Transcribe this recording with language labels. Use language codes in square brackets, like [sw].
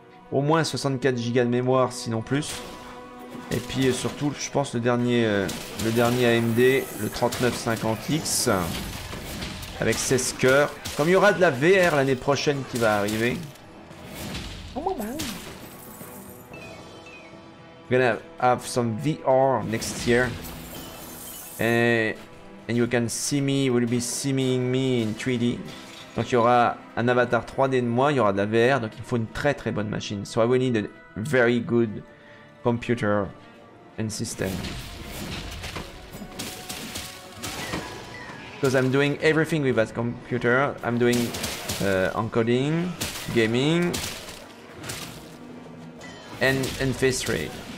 [fr] Au moins 64 Go de mémoire, sinon plus. Et puis, surtout, je pense, le dernier AMD, le 3950X. Avec 16 cœurs. Comme il y aura de la VR l'année prochaine qui va arriver... [en] We're gonna have some VR next year, and you can see me, will be seeing me in 3D. [fr] Donc il y aura un avatar 3D de moi, il y aura de la VR, donc il faut une très très bonne machine. [en] So I will need a very good computer and system. Because I'm doing everything with that computer, I'm doing encoding, gaming, and face ray.